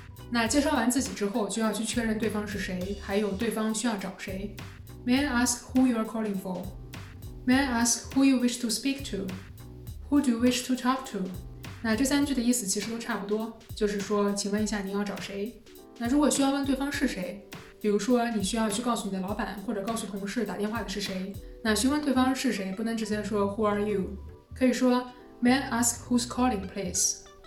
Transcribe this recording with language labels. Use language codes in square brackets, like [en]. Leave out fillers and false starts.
[zh] 那介绍完自己之后就要去确认对方是谁，还有对方需要找谁。 [en] May I ask who you are calling for? May I ask who you wish to speak to? Who do you wish to talk to? [zh] 那这三句的意思其实都差不多，就是说请问一下你要找谁。那如果需要问对方是谁，比如说你需要去告诉你的老板或者告诉同事打电话的是谁，那询问对方是谁不能直接说 [en] who are you， [zh] 可以说 [en] May I ask who's calling, please?